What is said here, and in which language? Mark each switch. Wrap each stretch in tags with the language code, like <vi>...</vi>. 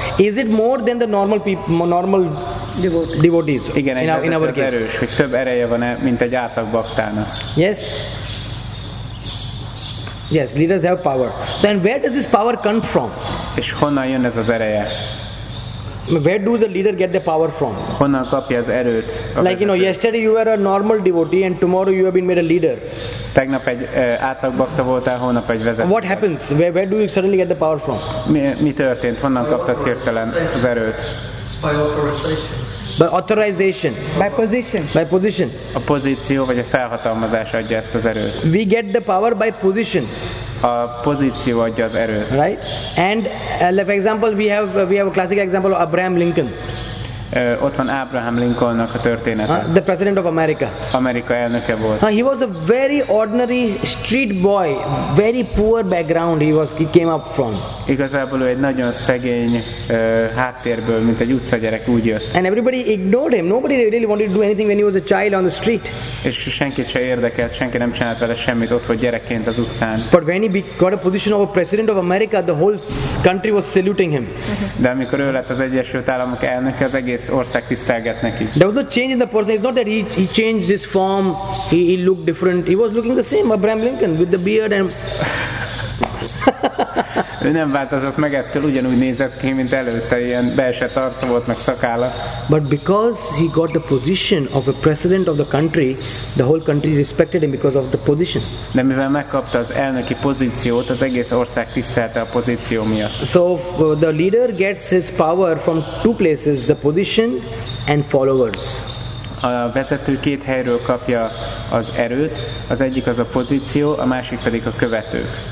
<en>Is it more than the normal people, normal devotees?</en> <hu>Igen, egy vezető az case. Erős, hogy több ereje van-e, mint egy átlag baktának.</hu> <en>Yes? Yes, leaders have power. So and where does this power come from?</en> <hu>És honnan jön ez az ereje?</hu> <en>Where does the leader get the power from?</en> <hu>Honnan kapja az erőt?</hu> <en>Like, you know, yesterday you were a normal devotee and tomorrow you have been made a leader.</en> <hu>Tegnap egy átlag bakta voltál, holnap egy vezető.</hu> <en>What happens? Where do you suddenly get the power from?</en> <hu>Mi történt? Honnan kaptad hirtelen az erőt?</hu> <en>By authorization. By authorization. By position. By position.</en> <hu>A pozíció vagy a felhatalmazás adja ezt az erőt.</hu> <en>We get the power by position.</en> <hu>A pozíció adja az erőt.</hu> <en>Right? And for example, we have a classic example of Abraham Lincoln.</en> <hu>Ott van Abraham Lincolnnak a története.</hu> <en>The president of America.</en> <hu>Amerika elnöke volt.</hu> <en>He was a very ordinary street boy, very poor background he came up from.</en> <hu>Igazából ő egy nagyon szegény háttérből, mint egy utcagyerek úgy jött.</hu> <en>And everybody ignored him. Nobody really wanted to do anything when he was a child on the street.</en> <hu>És senki se érdekelt, senki nem csinált vele semmit ott, hogy gyerekként az utcán.</hu> <en>But when he got a position of a president of America, the whole country was saluting him.</en> <hu>De amikor ő lett az Egyesült Államok elnöke, az egész ország tisztelget neki.</hu> <en>There was a change in the person. It's not that he changed his form. He looked different. He was looking the same, Abraham Lincoln, with the beard and...</en> <hu>Ő nem változott meg, ettől ugyanúgy nézett ki, mint előtte, ilyen beesett arca volt, meg szakálla.</hu> <en>But because he got the position of a president of the country, the whole country respected him because of the position.</en> <hu>De mivel megkapta az elnöki pozíciót, az egész ország tisztelte a pozíció miatt.</hu> <en>So the leader gets his power from two places, the position and followers.</en> <hu>A vezető két helyről kapja az erőt, az egyik az a pozíció, a másik pedig a követők.</hu>